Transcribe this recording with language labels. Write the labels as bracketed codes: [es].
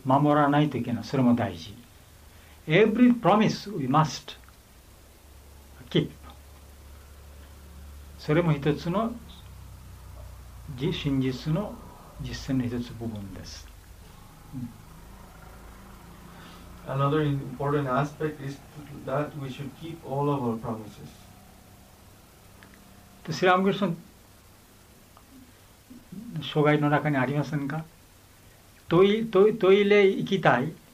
[ja] 守らないといけない。それも大事。 [en] Every promise we must keep. [ja] それも一つの真実の実践の一つ部分です。 [en] Another important aspect is that we should keep all of our promises. [ja] で、スリランカの障害の中にありませんか？トイレ行きたい。